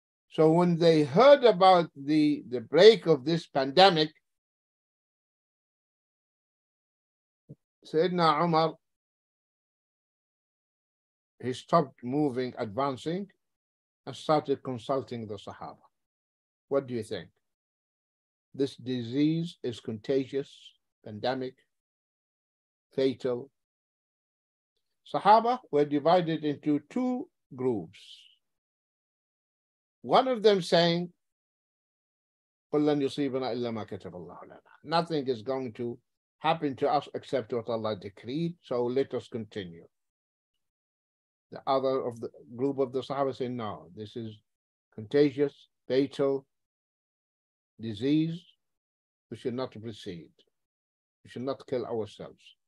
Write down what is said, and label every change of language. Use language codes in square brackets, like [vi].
[en] So when they heard about the break of this pandemic, Sayyidina Umar, he stopped moving, advancing, and started consulting the Sahaba. What do you think? This disease is contagious, pandemic, fatal. Sahaba were divided into two groups. One of them saying, [ar] قُلْ لَنْ يُصِيبَنَا إِلَّا مَا كَتَبَ اللَّهُ لَنَا. [en] Nothing is going to happen to us except what Allah decreed, so let us continue. The other of the group of the Sahaba saying, no, this is contagious, fatal disease. We should not proceed. We should not kill ourselves.